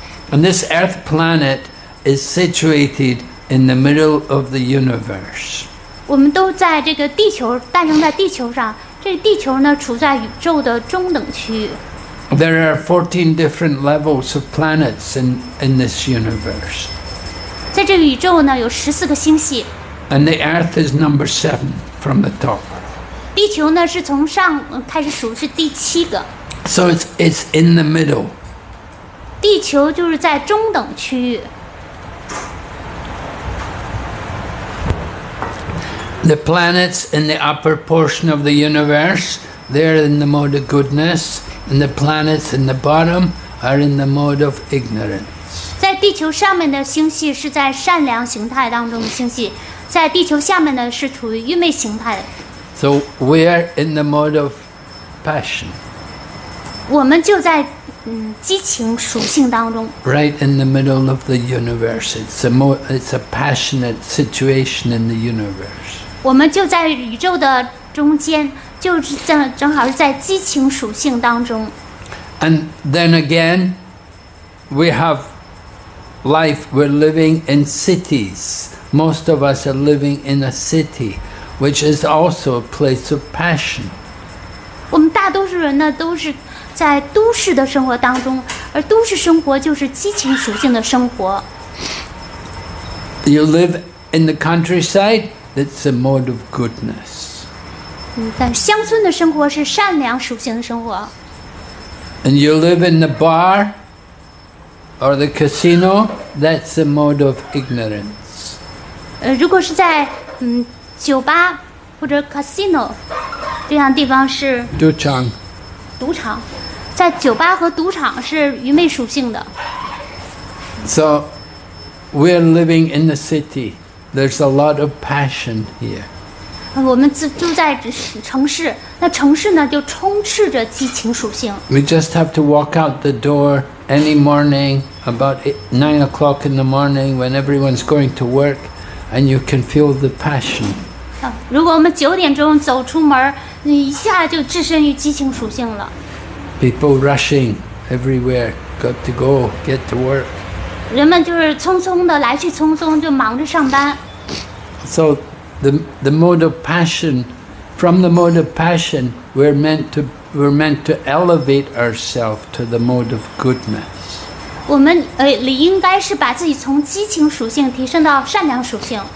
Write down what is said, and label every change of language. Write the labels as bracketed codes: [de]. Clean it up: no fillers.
[en] And this earth planet is situated in the middle of the universe. [zh] 我们都在这个地球，诞生在地球上。这个地球呢，处在宇宙的中等区域。 [en] There are 14 different levels of planets in this universe. [zh] 在这个宇宙呢，有十四个星系。 [en] And the earth is number 7 from the top. [zh] 地球呢，是从上开始数，是第七个。 [en] So it's in the middle. [zh] 地球就是在中等区域。 [en] The planets in the upper portion of the universe, they're in the mode of goodness, and the planets in the bottom are in the mode of ignorance. [zh] 在地球上面的星系是在善良形态当中的星系，在地球下面呢是处于愚昧形态的。 [en] So we are in the mode of passion. [zh] 我们就在。激情属性当中 [en] Right in the middle of the universe. It's a passionate situation in the universe. [zh] 我们就在宇宙的中间，就是正好是在激情属性当中。 [en] And then again, we have life. We're living in cities. Most of us are living in a city, which is also a place of passion. [zh] 我们大多数人呢，都是。在都市的生活当中，而都市生活就是激情属性的生活。 [en] You live in the countryside, that's a mode of goodness. [zh] 但乡村的生活是善良属性的生活。 [en] And you live in the bar or the casino, that's a mode of ignorance. [zh] 如果是在酒吧或者 casino 这样地方是赌场。在酒吧和赌场是愚昧属性的。 [en] So, we are living in the city. There's a lot of passion here. [zh] 我们住在城市，那城市呢就充斥着激情属性。 [en] We just have to walk out the door any morning about 9 o'clock in the morning when everyone's going to work, and you can feel the passion. [zh] 如果我们九点钟走出门，你一下就置身于激情属性了。 [en] People rushing everywhere, got to go, get to work. [zh] 人们就是匆匆的来去匆匆，就忙着上班。 [en] So the mode of passion, from the mode of passion, we're meant to elevate ourselves to the mode of goodness. [zh] 我们理应该是把自己从激情属性提升到善良属性。